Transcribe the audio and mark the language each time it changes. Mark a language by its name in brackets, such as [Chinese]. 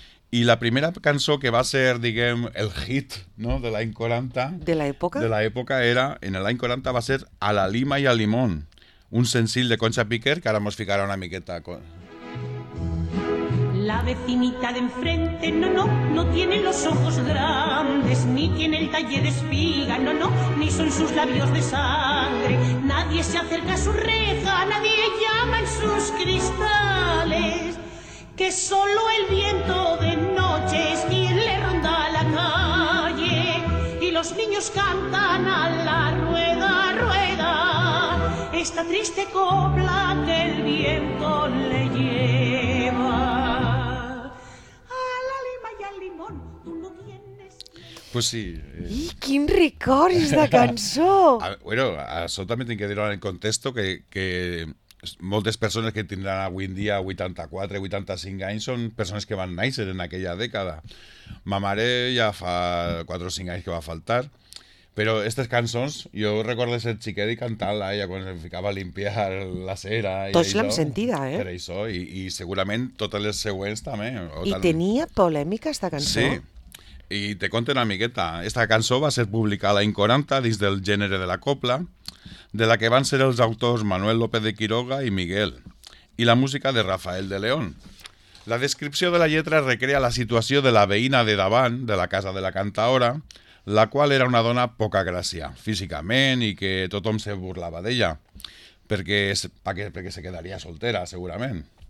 [Catalan] I la primera cançó que va ser, diguem, el hit, no?, de l'any 40... De l'època? De l'època era, en l'any 40 va ser A la lima i al limón, un senzill de Concha Piquer, que ara mos ficarà una miqueta... [Spanish] La vecinita de enfrente, no, no, no tiene los ojos grandes, ni tiene el talle de espiga, no, no, ni son sus labios de sangre. Nadie se acerca a su reja, nadie llama en sus cristales. Que solo el viento de noche es quien le ronda la calle y los niños cantan a la rueda, rueda esta triste copla que el viento le lleva. A la lima y al limón, tú no tienes... Pues sí. [Catalan] ¡Y quin records de cançó! Bueno, això també tinc que dir-ho en el contexto que... Moltes persones que tindran avui en dia 84, 85 anys són persones que van néixer en aquella dècada. Ma mare ja fa 4 o 5 anys que va faltar, però aquestes cançons, jo recordo ser xiquet i cantar-la, ella quan se ficava a limpiar la cera. Tots l'hem sentida, eh? Per això, i segurament totes les següents també. I tenia polèmica aquesta cançó? Sí, i te conto una miqueta. Aquesta cançó va ser publicada l'any 40 dins del gènere de la copla, de la que van ser els autors Manuel López de Quiroga i Miguel, i la música de Rafael de León. La descripció de la lletra recrea la situació de la veïna de davant de la casa de la cantaora, la qual era una dona poca gràcia, físicament, i que tothom se burlava d'ella, perquè se quedaria soltera, segurament.